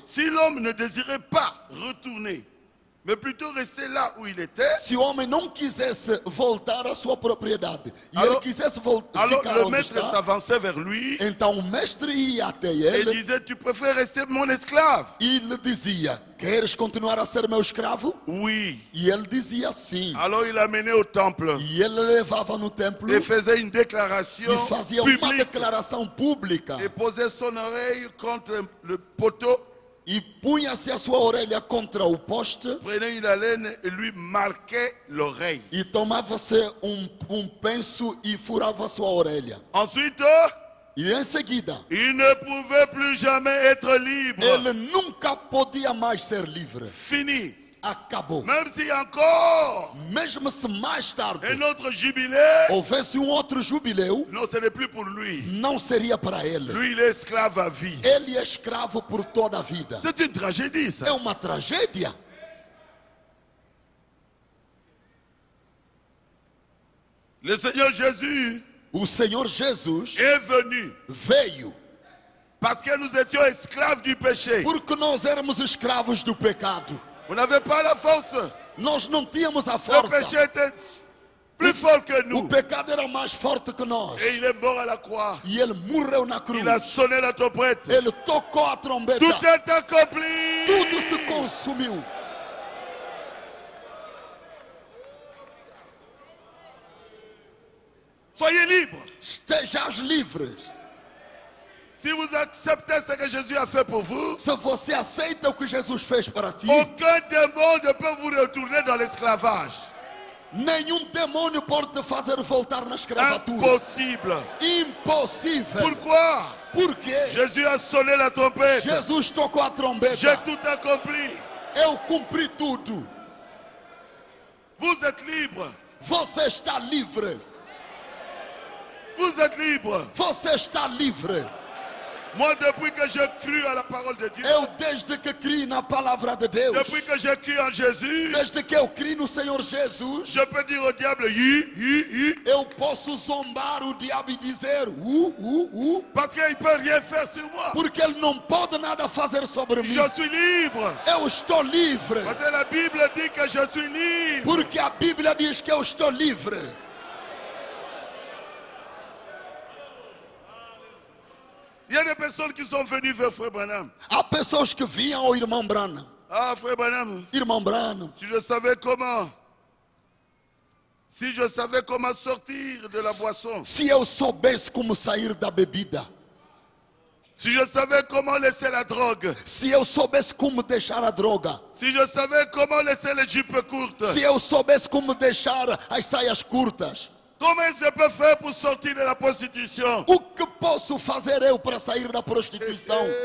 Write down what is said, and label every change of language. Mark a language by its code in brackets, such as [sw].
[fr] Si l'homme ne désirait pas retourner, mais plutôt rester là où il était. [pt] Se o homem não quisesse voltar à sua propriedade, [fr] alors, [pt] e ele quisesse voltar. [fr] Alors [pt] ficar [fr] le maître s'avançait vers lui. [pt] Então o mestre ia até ele. [fr] Et disait, tu préfères rester mon esclave? [pt] E ele dizia, queres continuar a ser meu escravo? [fr] Oui. [pt] E ele dizia sim. [fr] Alors il l'amenait au temple. [pt] E ele levava no templo. [fr] Et faisait une déclaration. [pt] E fazia [fr] publique, [pt] uma declaração pública. [fr] Et posait son oreille contre le poteau. [pt] E punha-se a sua orelha contra o poste. [fr] Prenait une laine et lui marquait l'oreille. [pt] E tomava-se um penso e furava a sua orelha. [fr] Ensuite, [pt] e em seguida, [fr] il ne pouvait plus jamais être libre. [pt] Ele nunca podia mais ser livre. [fr] Fini. [pt] Acabou. [fr] Même si encore, [pt] mesmo se mais tarde, [fr] un autre jubilé, [pt] houvesse um outro jubileu, [fr] non, ce n'est plus pour lui. [pt] Não seria para ele. [fr] Lui, il est esclave à vie. [pt] Ele é escravo por toda a vida. [fr] C'est une tragédie, ça. [pt] É uma tragédia. [fr] Le Seigneur Jésus, [pt] o Senhor Jesus, [fr] est venu. [pt] Veio. [fr] Parce que nous étions esclaves du péché. [pt] Porque nós éramos escravos do pecado. [fr] On n'avait pas la force. [pt] Nós não tínhamos a força. [fr] Le péché était plus fort que nous. [pt] O pecado era mais forte que nós. [fr] Et il est mort à la croix. [pt] E ele morreu na cruz. [fr] Il a sonné la trompette. [pt] Ele tocou a trombeta. [fr] Tout est accompli. [pt] Tudo se consumiu. [fr] Soyez libres. [pt] Estejais livres. [fr] Si vous acceptez ce que Jésus a fait pour vous, [pt] se você aceita o que Jesus fez para ti, [fr] aucun démon ne peut vous retourner dans l'esclavage. [pt] Nenhum demônio pode te fazer voltar na escravatura. [fr] Impossible. [pt] Impossível. [fr] Pourquoi? [pt] Por quê? [fr] Jesus a sonné la trompette. [pt] Jesus tocou a trombeta. [fr] J'ai tout accompli. [pt] Eu cumpri tudo. [fr] Vous êtes libre. [pt] Você está livre. [fr] Vous êtes libre. [pt] Você está livre. [fr] Moi, depuis que je crie à la parole de Dieu, [pt] eu desde que crie na palavra de Deus, [fr] depuis que je crie en Jésus, [pt] desde que eu crie no Senhor Jesus, [fr] je peux dire au diable, [pt] eu posso zombar o diabo e dizer, [fr] parce qu'il peut rien faire sur moi, [pt] porque ele não pode nada fazer sobre mim. [fr] Je suis libre, [pt] eu estou livre, [fr] parce que la Bible dit que je suis libre, [pt] porque a Bíblia diz que eu estou livre. [fr] Il y a des personnes qui sont venues vers Frère Branham. [pt] Há pessoas que vinham ao irmão Branham. [fr] Ah, Frère Branham. [pt] Irmão Branham. [fr] Si je savais comment. Si je savais comment sortir de la boisson. [pt] Se eu soubesse como sair da bebida. [fr] Si je savais comment laisser la drogue. [pt] Se eu soubesse como deixar a droga. [fr] Si je savais comment laisser les jupes courtes. [pt] Se eu soubesse como deixar as saias curtas. [fr] Comment je peux faire pour sortir de la prostitution? [pt] O que posso fazer eu para sair da prostituição?